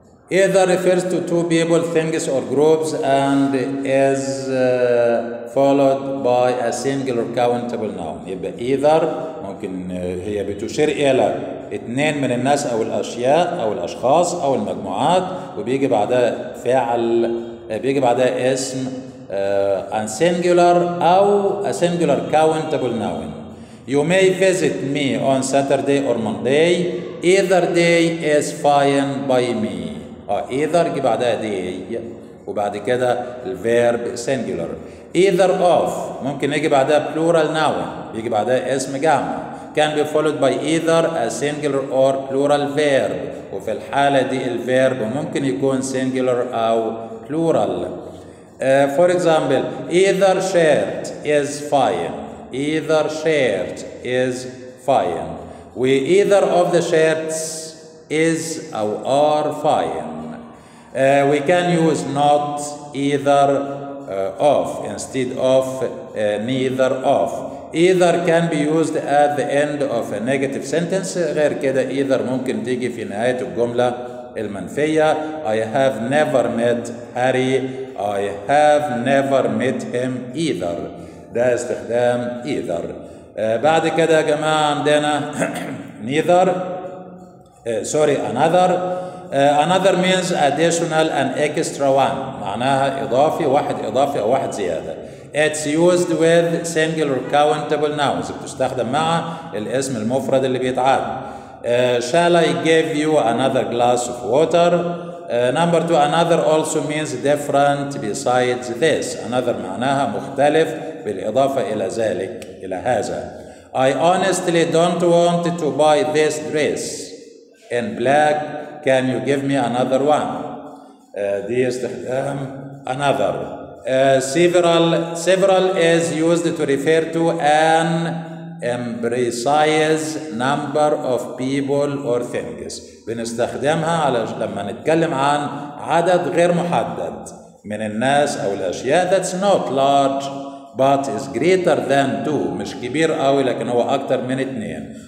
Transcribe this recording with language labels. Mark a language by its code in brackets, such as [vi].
[en] either refers to two people, things or groups and is followed by a singular countable noun. [ar] يبقى either ممكن هي بتشير إلى اتنين من الناس أو الأشياء أو الأشخاص أو المجموعات وبيجي بعدها فعل بيجي بعدها اسم and singular أو a singular countable noun. [en] you may visit me on Saturday or Monday. either day is fine by me. either [ar] يجي بعدها day وبعد كده الverb singular. either of ممكن يجي بعدها plural noun يجي بعدها اسم جمع. [en] can be followed by either a singular or plural verb [ar] وفي الحالة دي الverb ممكن يكون singular أو plural. [en] for example either shirt is fine. either shirt is fine. we either of the shirts is or are fine. we can use not either of instead of neither of. either can be used at the end of a negative sentence. [ar] غير كده either ممكن تيجي في نهاية الجملة المنفية. [en] I have never met Harry. I have never met him either. [ar] ده استخدام either. بعد كده يا جماعة عندنا neither [en] sorry, another. Another means additional and extra one. [ar] معناها إضافي، واحد إضافي أو واحد زيادة. [en] It's used with singular countable nouns. [ar] بتستخدم مع الاسم المفرد اللي بيتعاد. [en] Shall I give you another glass of water? Number two, another also means different besides this. [ar] Another معناها مختلف بالإضافة إلى ذلك، إلى هذا. [en] I honestly don't want to buy this dress in black. Can you give me another one? [ar] دي استخدام another. [en] Several is used to refer to an imprecise number of people or things. [ar] بنستخدمها على لما نتكلم عن عدد غير محدد من الناس أو الأشياء. [en] That's not large but is greater than two. [ar] مش كبير قوي لكن هو أكتر من اثنين.